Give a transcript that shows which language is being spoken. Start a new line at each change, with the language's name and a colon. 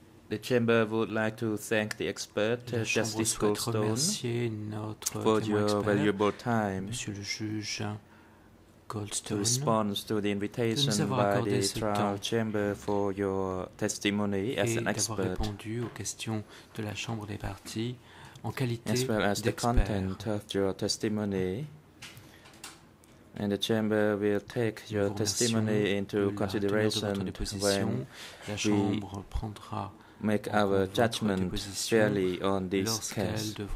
English: The chamber would like to thank the expert, Justice Goldstone, for your valuable time.
French: Monsieur le juge Goldstone,
English: to respond to the invitation by the trial chamber for your testimony as an expert,
French: d'avoir répondu aux questions de la chambre des parties en qualité d'expert,
English: as well as the content of your testimony. And the chamber will take your testimony into consideration when we make our judgment fairly on this case.